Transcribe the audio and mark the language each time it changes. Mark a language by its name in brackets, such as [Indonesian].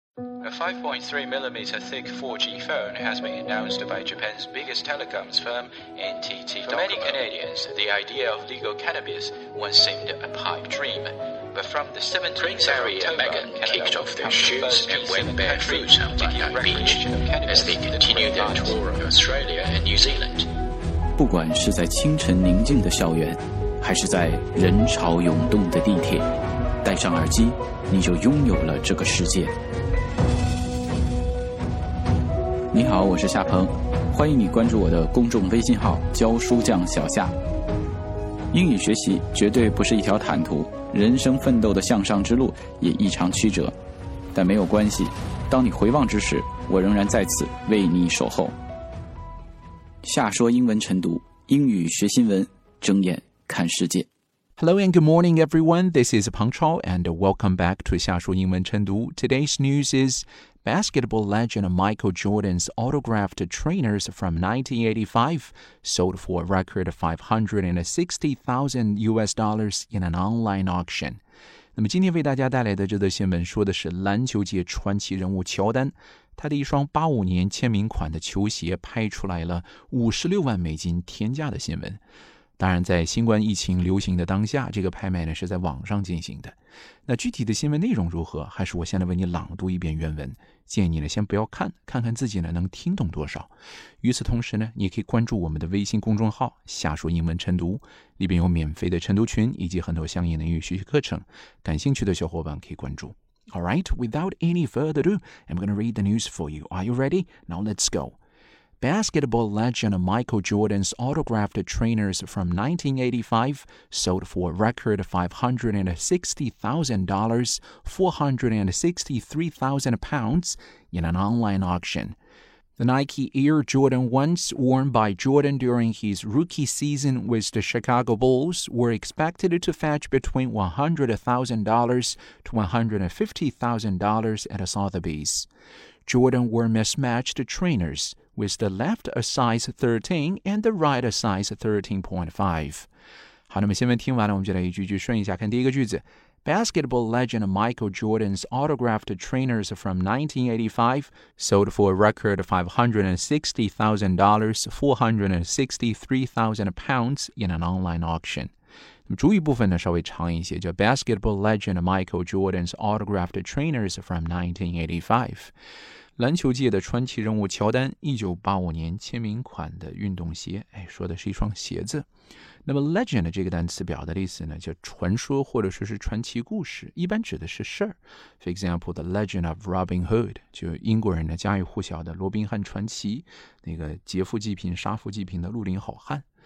[English] A 5.3mm thick 4G phone has been announced by Japan's biggest telecoms firm, NTT Docomo. For many Canadians, the idea of legal cannabis once seemed a pipe dream. But from the 17th of October, Canada kicked off their shoes and went barefoot on Bondi Beach as they continued their tour of Australia and New Zealand. [Chinese] 不管是在清晨宁静的校园，还是在人潮涌动的地铁，戴上耳机，你就拥有了这个世界。你好，我是夏鹏，欢迎你关注我的公众微信号“教书匠小夏”。英语学习绝对不是一条坦途，人生奋斗的向上之路也异常曲折，但没有关系，当你回望之时，我仍然在此为你守候。夏说英文晨读，英语学新闻，睁眼看世界。 [English] Hello and good morning, everyone. This is Peng Chao, and welcome back to 夏说英文晨读。 Today's news is basketball legend Michael Jordan's autographed trainers from 1985 sold for a record $560,000 in an online auction. [Chinese] 那么今天为大家带来的这则新闻说的是篮球界传奇人物乔丹。他的一双85年签名款的球鞋拍出来了56万美金天价的新闻。当然在新冠疫情流行的当下，这个拍卖呢是在网上进行的。那具体的新闻内容如何，还是我先来为你朗读一遍原文。建议你呢先不要看，看看自己呢能听懂多少。与此同时呢，你可以关注我们的微信公众号夏说英文晨读，里边有免费的晨读群以及很多相应的英语学习课程，感兴趣的小伙伴可以关注。 [English] Alright, without any further ado, I'm going to read the news for you. Are you ready? Now let's go. Basketball legend Michael Jordan's autographed trainers from 1985 sold for a record $560,000, £463,000, in an online auction. The Nike Air Jordan 1s worn by Jordan during his rookie season with the Chicago Bulls were expected to fetch between $100,000 to $150,000 at Sotheby's. Jordan wore mismatched trainers, with the left a size 13 and the right a size 13.5. [Chinese] 好，那么新闻听完了，我们就来一句句顺一下看第一个句子。 [English] Basketball legend Michael Jordan's autographed trainers from 1985 sold for a record $560,000, £463,000 in an online auction. [Chinese] 主语部分呢稍微长一些，叫 [English] Basketball legend Michael Jordan's autographed trainers from 1985. [Chinese] 篮球界的传奇人物乔丹1985年签名款的运动鞋，哎，说的是一双鞋子。那么 legend 这个单词表达的意思呢，叫传说或者说是传奇故事，一般指的是事儿。 [English] For example, the legend of Robin Hood, [Chinese] 就英国人的家喻户晓的罗宾汉传奇，那个劫富济贫、杀富济贫的绿林好汉。